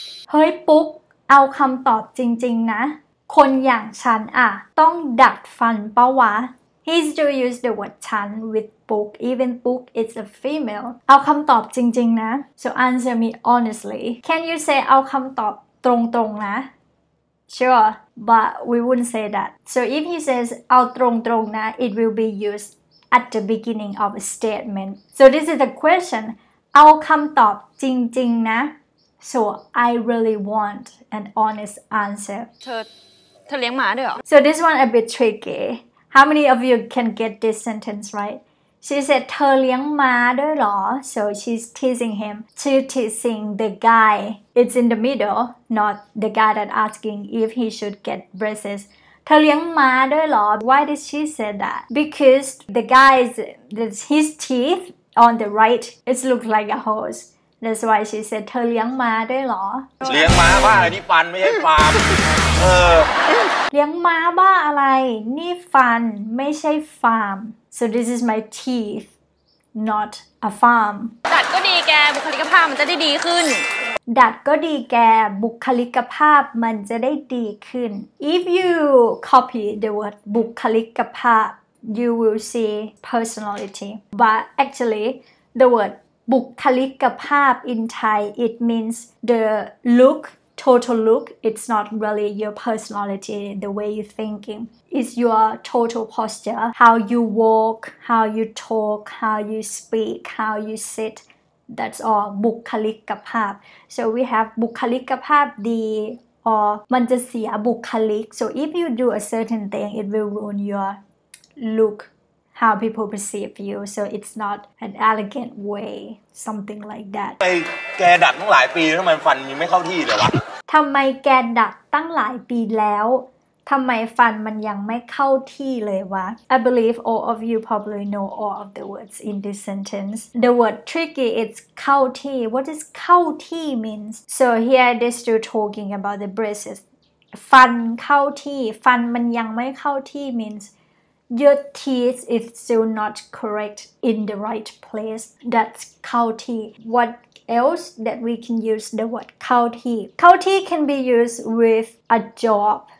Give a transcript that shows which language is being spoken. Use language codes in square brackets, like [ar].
[th] เฮ้ยปุ๊กเอาคำตอบจริงๆนะคนอย่างฉันอะต้องดัดฟันเปล่าวะ [en] He still use the word [th] ฉัน with ปุ๊ก even ปุ๊ก [en] is a female [th] เอาคำตอบจริงๆนะ [en] So answer me honestly Can you say [th] เอาคำตอบตรงๆนะ [en] Sure, but we wouldn't say that. So if he says, [th] เอาตรงตรงนะ, [en] it will be used at the beginning of a statement. So this is the question. [th] เอาคำตอบจริงจริงนะ [en] So I really want an honest answer. [th] เธอเลี้ยงหมาด้วยเหรอ? [en] So this one a bit tricky. How many of you can get this sentence right? She said [th] เธอเลี้ยงม้าด้วยหรอ [en] So she's teasing him She's teasing the guy It's in the middle Not the guy that asking if he should get braces เธอเลี้ยงม้าด้วยหรอ Why did she say that? Because the guy's his teeth on the right It looks like a horse That's why she said [th] เธอเลี้ยงม้าด้วยหรอ เลี้ยงม้าบ้าอะไรนี่ฟันไม่ใช่ฟาร์ม เลี้ยงม้าบ้าอะไรนี่ฟันไม่ใช่ฟาร์ม [en] So this is my teeth, not a farm. [th] ดัดก็ดีแกบุคลิกภาพมันจะได้ดีขึ้น ดัดก็ดีแกบุคลิกภาพมันจะได้ดีขึ้น [en] If you copy the word บุคลิกภาพ you will see personality. But actually, the word บุคลิกภาพ in Thai, it means the look, total look. It's not really your personality, the way you're thinking. Is your total posture, how you walk, how you talk, how you speak, how you sit. That's all. บุคลิกภาพ So we have [th] บุคลิกภาพดี [en] or [th] มันจะเสียบุคลิก [en] So if you do a certain thing, it will ruin your look, how people perceive you. So it's not an elegant way, something like that. [th] ไปแกดัดตั้งหลายปีทำไมฟันยังไม่เข้าที่เลยวะ ทำไมแกดัดตั้งหลายปีแล้วทำไมฟันมันยังไม่เข้าที่เลยวะ [en] I believe all of you probably know all of the words in this sentence. The word tricky is เข้าที่ What does เข้าที่ means? So here they're still talking about the braces. [th] ฟันเข้าที่ฟันมันยังไม่เข้าที่ [en] means your teeth is still not correct in the right place. That's เข้าที่ What else that we can use the word เข้าที่เข้าที่ can be used with a job.